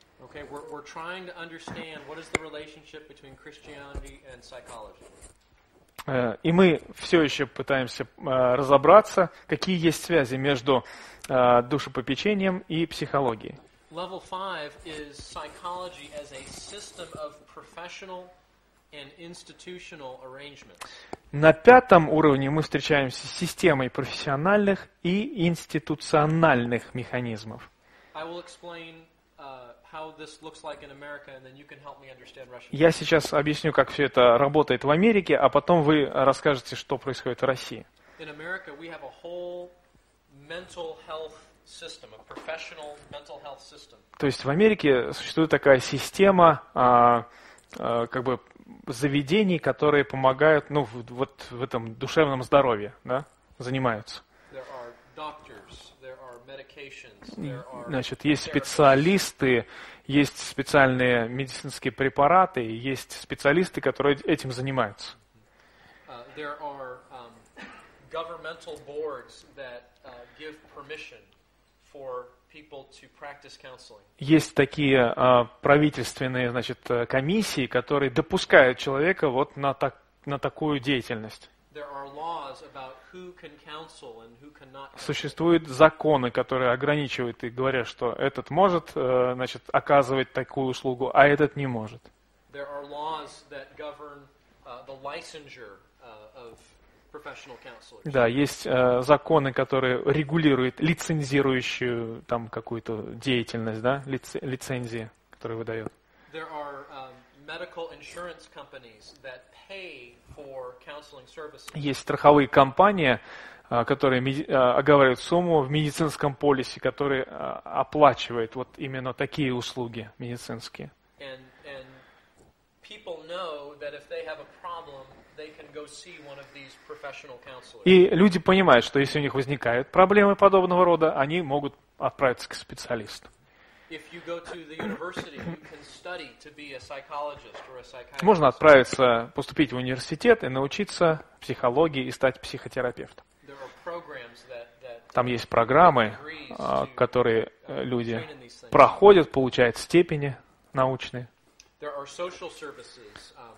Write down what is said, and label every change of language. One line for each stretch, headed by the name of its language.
English: Okay, we're trying to understand what is the relationship between Christianity and psychology.
Russian: И мы все еще пытаемся разобраться, какие есть связи между душепопечением и психологией.
English: Level 5 is psychology as a system of professional and institutional arrangements.
Russian: На пятом уровне мы встречаемся с системой профессиональных и институциональных механизмов.
English: I will explain how this looks like in America, and then you can help me understand Russian.
Russian: Я сейчас объясню, как все это работает в Америке, а потом вы расскажете, что происходит в России.
English: In America we have a whole mental health system, a professional mental health system.
Russian: То есть в Америке существует такая система, как бы заведений, которые помогают, ну, вот в этом душевном здоровье, да, занимаются.
English: There are doctors, there are medications, there are...
Russian: Значит, есть специалисты, есть специальные медицинские препараты, есть специалисты, которые этим занимаются.
English: There are governmental boards that give permission for people to practice counseling.
Russian: Есть такие правительственные, значит, комиссии, которые допускают человека вот на такую деятельность.
English: There are laws about who can counsel and who cannot.
Russian: Существуют законы, которые ограничивают и говорят, что этот может, значит, оказывать такую услугу, а этот не может.
English: There are laws that govern the licensure of.
Russian: Да, есть законы, которые регулируют лицензирующую там какую-то деятельность, да, лицензии, которые выдают.
English: There are medical insurance companies that pay for counseling services.
Russian: Есть страховые компании, которые оговаривают сумму в медицинском полисе, который оплачивает вот именно такие услуги медицинские.
English: And people know that if they have a problem, they can go see one of these professional counselors.
Russian: И люди понимают, что если у них возникают проблемы подобного рода, они могут отправиться к специалисту.
English: If you go to the university, you can study to be a psychologist or a psychiatrist.
Russian: Можно отправиться, поступить в университет и научиться психологии и стать психотерапевтом.
English: There are programs that
Russian: там есть программы, которые люди проходят, получают степени научные.
English: There are social services.